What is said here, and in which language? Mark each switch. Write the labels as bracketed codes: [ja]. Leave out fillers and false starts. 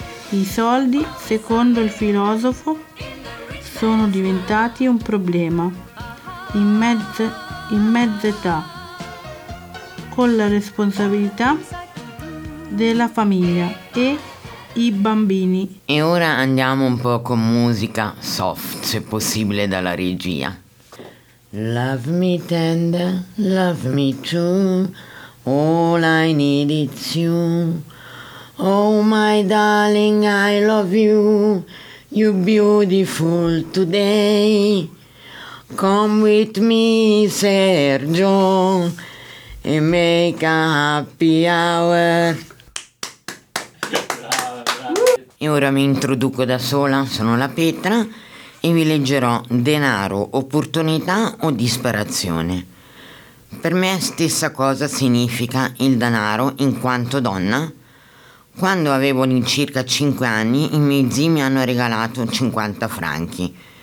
[it] I soldi, secondo il filosofo, sono diventati un problema in mezza età, con la responsabilità della famiglia e i bambini. E ora andiamo un po' con musica soft, se possibile, dalla regia. [en] Love me tender, love me too, all I need is you. Oh my darling, I love you, you beautiful today. Come with me, Sergio, and make a happy hour. [it] E ora mi introduco da sola, sono la Petra, e vi leggerò Denaro, opportunità o disperazione. Per me stessa cosa significa il denaro in quanto donna. Quando avevo circa 5 anni, i miei zii mi hanno regalato 50 franchi.